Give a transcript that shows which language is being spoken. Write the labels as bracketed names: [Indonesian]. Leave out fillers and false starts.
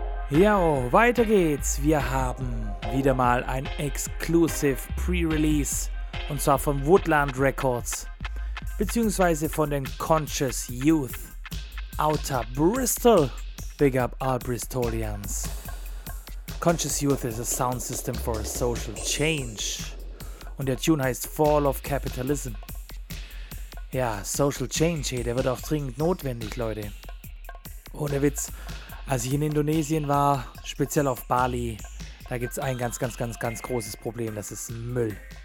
[German] Jo, weiter geht's. Wir haben wieder mal ein Exclusive Pre-Release. Und zwar von Woodland Records. Beziehungsweise von den Conscious Youth. [English] Outer Bristol. Big up all Bristolians. Conscious Youth is a sound system for a social change. [German] Und der Tune heißt Fall of Capitalism. Ja, Social Change, hey, der wird auch dringend notwendig, Leute. Ohne Witz, als ich in Indonesien war, speziell auf Bali, da gibt es ein ganz, ganz, ganz, ganz großes Problem. Das ist Müll.